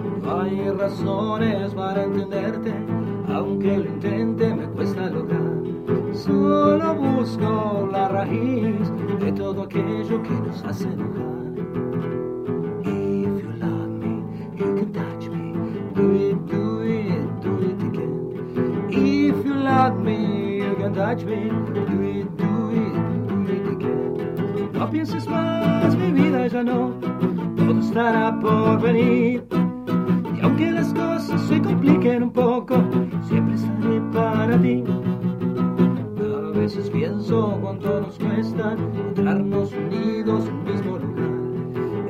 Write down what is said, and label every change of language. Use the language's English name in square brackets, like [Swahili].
[Spanish] Razones para entenderte, aunque lo intente me cuesta lograr. Solo busco la raíz de todo aquello que nos hace enojar. [English] If you love me, you can touch me. Do it again. If you love me, you can touch me. Do it again. [Spanish] No pienses más, mi vida ya no, todo estará por venir. Aunque las cosas se compliquen un poco, siempre estaré para ti. A veces pienso cuánto nos cuesta encontrarnos unidos en el mismo lugar.